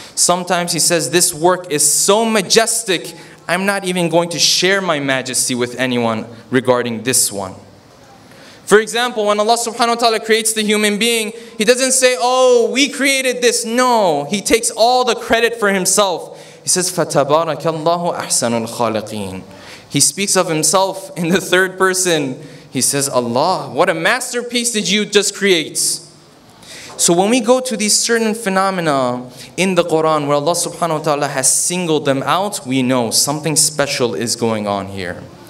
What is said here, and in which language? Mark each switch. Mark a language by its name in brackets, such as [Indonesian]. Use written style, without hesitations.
[English] Sometimes he says, this work is so majestic, I'm not even going to share my majesty with anyone regarding this one. For example, when Allah subhanahu wa ta'ala creates the human being, he doesn't say, oh, we created this. No, he takes all the credit for himself. He says, [Arabic] فَتَبَارَكَ اللَّهُ أَحْسَنُ الْخَالِقِينَ. [English] He speaks of himself in the third person. He says, Allah, what a masterpiece did you just create? So when we go to these certain phenomena in the Quran where Allah subhanahu wa ta'ala has singled them out, we know something special is going on here.